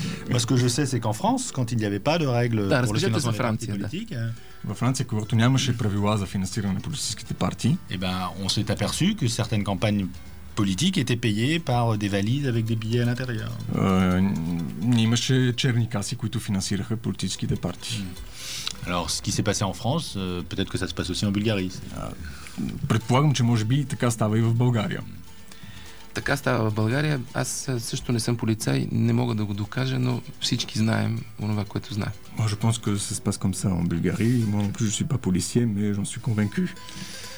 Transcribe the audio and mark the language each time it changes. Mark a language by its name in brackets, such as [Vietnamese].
[French] Parce que je sais c'est qu'en France quand il n'y avait pas de règles pour le financement des partis politiques. [Bulgarian] Във Франция, когато нямаше правила за финансиране на политическите партии. [French] Et ben on s'est aperçu que certaines campagnes politique était payé par des valises avec des billets à l'intérieur. [Bulgarian] Имаше черни каси, които финансираха политическите партии. [French] Alors, ce qui s'est passé en France, peut-être que ça se passe aussi en Bulgarie. [Bulgarian] Предполагам, че може би така става и в България. Така става в България. Аз също не съм полицай, не мога да го докажа, но всички знаем онова, което знаем. [French] Moi, je pense que ça se passe comme ça en Bulgarie. Moi, en plus, je suis pas policier, mais j'en suis convaincu.